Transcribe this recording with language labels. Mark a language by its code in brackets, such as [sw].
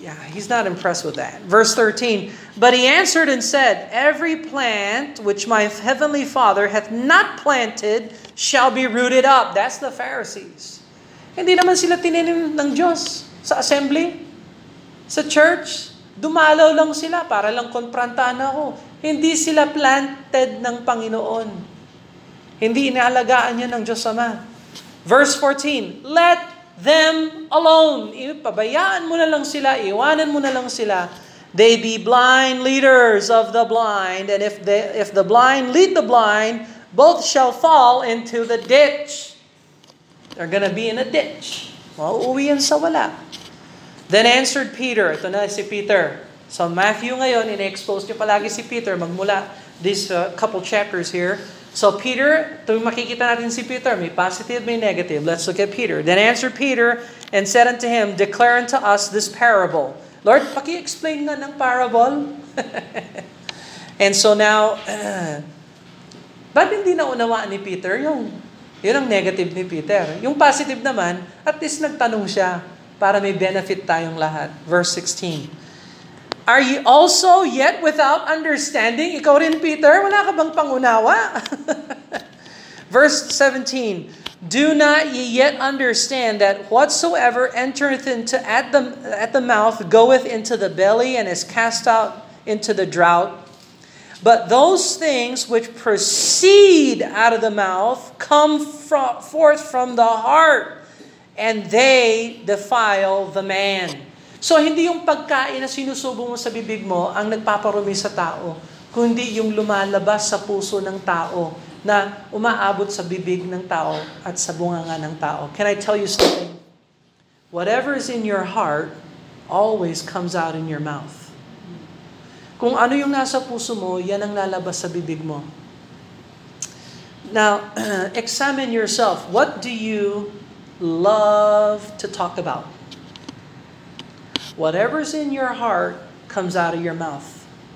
[en] He's not impressed with that. Verse 13, But he answered and said, Every plant which my heavenly Father hath not planted shall be rooted up. That's the Pharisees. [tl] Hindi naman sila tinanim ng Diyos sa assembly, sa church. Dumalaw lang sila para lang konprantahan ako. Hindi sila planted ng Panginoon. Hindi inaalagaan yan ng Diyos Ama. [en] Verse 14, Let them alone. [tl] Ipabayaan mo na lang sila, iwanan mo na lang sila. [en] They be blind leaders of the blind, and if the blind lead the blind, both shall fall into the ditch. They're gonna be in a ditch. [tl] Mauuwi yan sa wala. [en] Then answered Peter, [tl] ito na si Peter. So Matthew ngayon, in-expose niyo palagi si Peter magmula [en] this couple chapters here. [tl] So Peter, tuwing makikita natin si Peter, may positive, may negative. [en] Let's look at Peter. Then answered Peter and said unto him, Declare unto us this parable. [tl] Lord, paki-explain nga ng parable. [en] And so now, [tl] ba't hindi naunawaan ni Peter? Yun ang negative ni Peter. Yung positive naman, at least nagtanong siya para may benefit tayong lahat. Verse 16. [en] Are ye also yet without understanding? [tl] Ikaw rin, Peter, wala ka bang pangunawa? [en] Verse 17, Do not ye yet understand that whatsoever entereth into at the mouth goeth into the belly and is cast out into the drought? But those things which proceed out of the mouth come forth from the heart, and they defile the man. [tl] So, hindi yung pagkain na sinusubo mo sa bibig mo ang nagpaparumi sa tao, kundi yung lumalabas sa puso ng tao na umaabot sa bibig ng tao at sa bunganga ng tao. [en] Can I tell you something? Whatever is in your heart always comes out in your mouth. [tl] Kung ano yung nasa puso mo, yan ang lalabas sa bibig mo. [en] Now, examine yourself. What do you love to talk about? Whatever's in your heart comes out of your mouth.